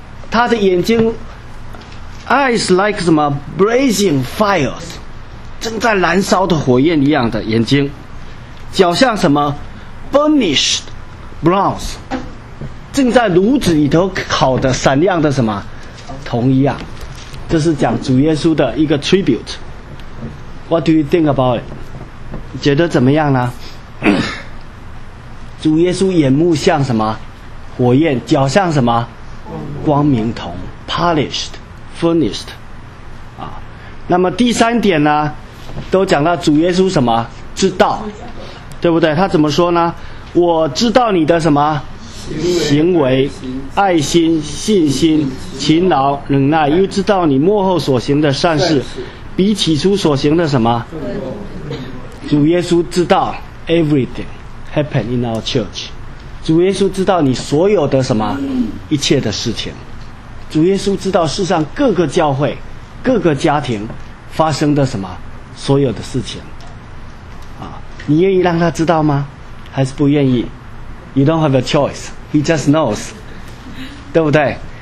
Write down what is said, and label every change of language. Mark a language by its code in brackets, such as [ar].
[zh] 他的眼睛 [en] eyes like [zh] 什么 [en] blazing fires， [zh] 正在燃烧的火焰一样的眼睛。脚像什么 [en] burnished bronze， [zh] 正在炉子里头烤的闪亮的什么铜一样。这是讲主耶稣的一个 tribute。 [en] What do you think about it？ [zh] 觉得怎么样呢？主耶稣眼目像什么？火焰。脚像什么？光明铜 [en] polished furnished、 [zh] 啊、那么第三点呢，都讲到主耶稣什么？知道，对不对？他怎么说呢？我知道你的什么行为、爱心、信心、勤劳、忍耐，又知道你幕后所行的善事比起初所行的什么？主耶稣知道 [en] everything happen in our church。 [zh] 主耶稣知道你所有的什么一切的事情。主耶稣知道世上各个教会各个家庭发生的什么所有的事情啊，你愿意让他知道吗？还是不愿意？ [en] You don't have a choice. He just knows. [zh] 对不对？